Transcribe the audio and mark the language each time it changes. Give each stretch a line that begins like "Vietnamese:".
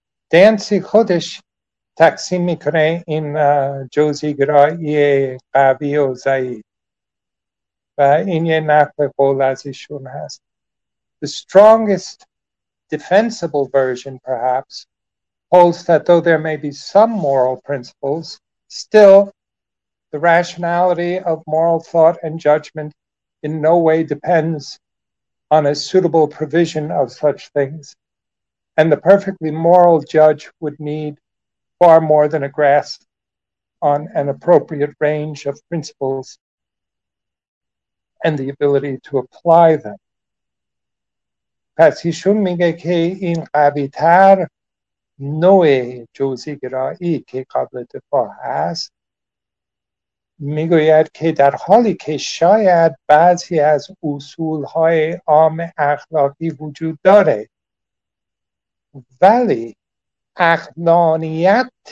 Persian: دانسی خودش تقسیم میکنه این جزئی‌گرایی قوی و ضعیف. و این یه نقل قول از ایشون هست.
English: The strongest defensible version perhaps holds that though there may be some moral principles, still the rationality of moral thought and judgment in no way depends on a suitable provision of such things, and the perfectly moral judge would need far more than a grasp on an appropriate range of principles and the ability to apply them.
Persian: پس ایشون میگه که این قوی تر نوع جزئی‌گرایی که قابل دفاع هست میگوید که در حالی که شاید بعضی از اصول های عام اخلاقی وجود داره ولی اخلاقیت